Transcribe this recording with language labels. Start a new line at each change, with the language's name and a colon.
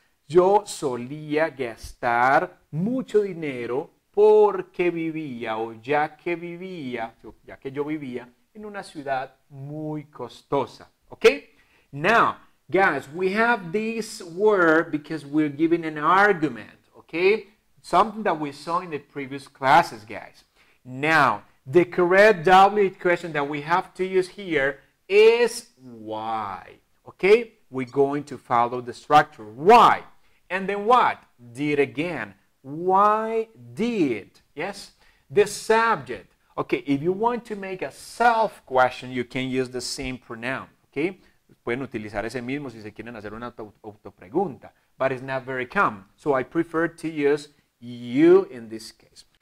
Spanish: Yo solía gastar mucho dinero porque vivía o ya que vivía, ya que yo vivía, en una ciudad muy costosa.
English: Okay? Now, guys, we have this word because we're giving an argument. Okay? Something that we saw in the previous classes, guys. Now, the correct W question that we have to use here is why. Okay? We're going to follow the structure. Why? And then what? Did again. Why did? Yes? The subject. Okay, if you want to make a self question, you can use the same pronoun. Okay?
Spanish: Pueden utilizar ese mismo si se quieren hacer una autopregunta.
English: But it's not very common. So I prefer to use you in this case.